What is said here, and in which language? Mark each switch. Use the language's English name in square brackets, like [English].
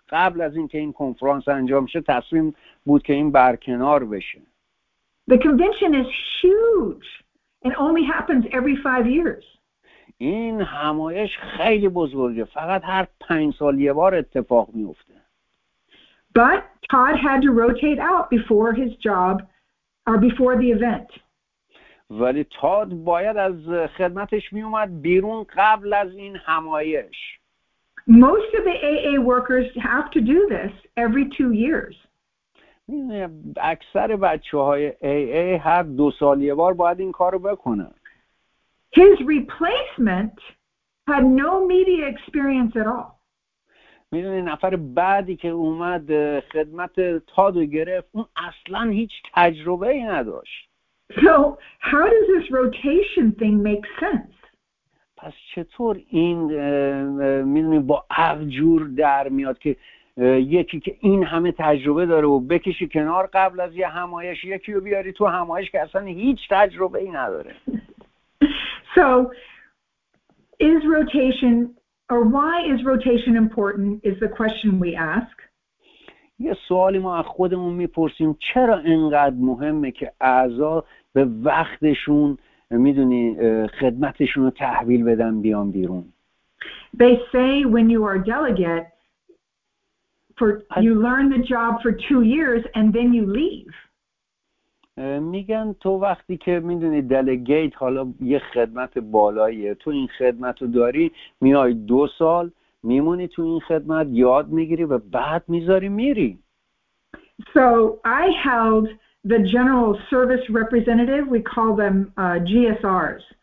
[Persian] قبل از این که این کنفرانس انجام شه تصمیم بود که این برکنار بشه. [English] The convention is huge and only happens every 5 years. [Persian] این همایش خیلی بزرگه، فقط هر 5 سال یه بار اتفاق میفته. [English] But Todd had to rotate out before his job or before the event. [Persian] ولی تاد باید از خدمتش میومد بیرون قبل از این همایش. [English] Most of the AA workers have to do this every 2 years. [Persian] اکثر بچه‌های AA هر 2 سال یه بار باید این کارو بکنن. [English] His replacement had no media experience at all. [Persian] میدونی نفر بعدی که اومد خدمت تادو گرفت اون اصلا هیچ تجربه ای نداشت. [English] So how does this rotation thing make sense? [Persian] پس چطور این میدونی با عجور در میاد که یکی که این همه تجربه داره و بکشی کنار قبل از یه همایش، یکی رو بیاری تو همایش که اصلا هیچ تجربه ای نداره. [English] So is rotation or why is rotation important is the question we ask. [Persian] یه سوالی ما از خودمون میپرسیم، چرا اینقدر مهمه که اعضا به وقتشون میدونی خدمتشون رو تحویل بدن بیان بیرون. [English] They say when you are delegate for you learn the job for 2 years and then you leave. [Persian] میگن تو وقتی که میدونی دلگیت، حالا یه خدمت بالاییه، تو این خدمت رو داری، میای 2 سال میمونی تو این خدمت، یاد میگیری و بعد میذاری میری. [English] So I held the general service representative, we call them GSRs.